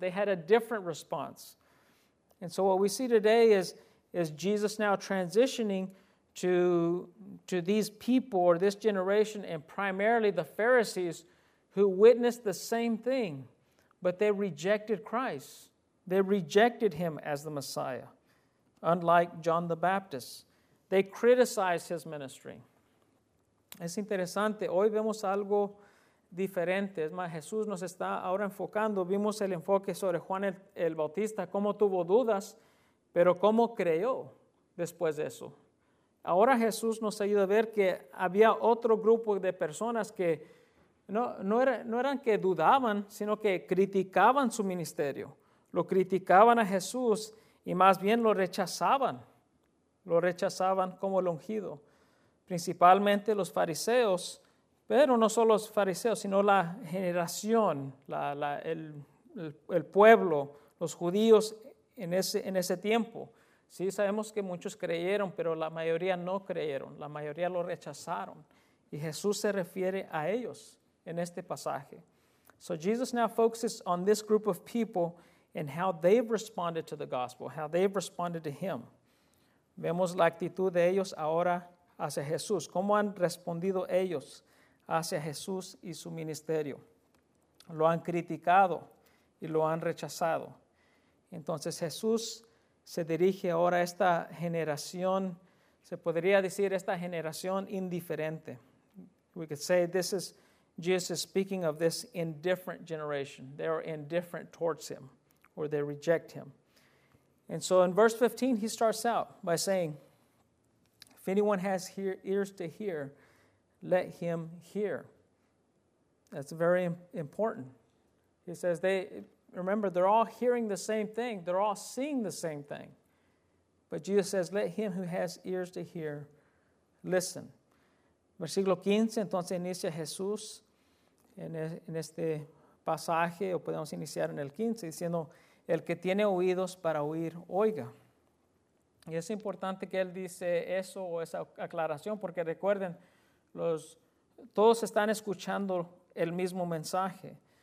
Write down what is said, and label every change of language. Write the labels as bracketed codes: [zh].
[en] They had a different response. And so what we see today is Jesus now transitioning to these people or this generation, and primarily the Pharisees, who witnessed the same thing, but they rejected Christ. They rejected him as the Messiah, unlike John the Baptist. They criticized his ministry. [es] Es interesante, hoy vemos algo diferente. Es más, Jesús nos está ahora enfocando. Vimos el enfoque sobre Juan el Bautista, cómo tuvo dudas, pero cómo creyó después de eso. Ahora Jesús nos ayuda a ver que había otro grupo de personas que no eran que dudaban, sino que criticaban su ministerio. Lo criticaban a Jesús y más bien lo rechazaban. Lo rechazaban como el ungido. Principalmente los fariseos, pero no solo los fariseos, sino la generación, el pueblo, los judíos en ese tiempo. Sí, sabemos que muchos creyeron, pero la mayoría no creyeron, la mayoría lo rechazaron. Y Jesús se refiere a ellos en este pasaje. [en] So Jesus now focuses on this group of people and how they've responded to the gospel, how they've responded to him. [es] Vemos la actitud de ellos ahora hacia Jesús, cómo han respondido ellos hacia Jesús y su ministerio. Lo han criticado y lo han rechazado. Entonces Jesús se dirige ahora a esta generación, se podría decir esta generación indiferente. [en] We could say this is Jesus speaking of this indifferent generation. They are indifferent towards him, or they reject him. And so in verse 15, he starts out by saying, if anyone has ears to hear, let him hear. That's very important. He says, remember, they're all hearing the same thing. They're all seeing the same thing. But Jesus says, let him who has ears to hear, listen. [es] Versículo 15, entonces inicia Jesús en este pasaje, o podemos iniciar en el 15, diciendo, el que tiene oídos para oír, oiga. Y es importante que él dice eso o esa aclaración, porque recuerden, todos están escuchando el mismo mensaje.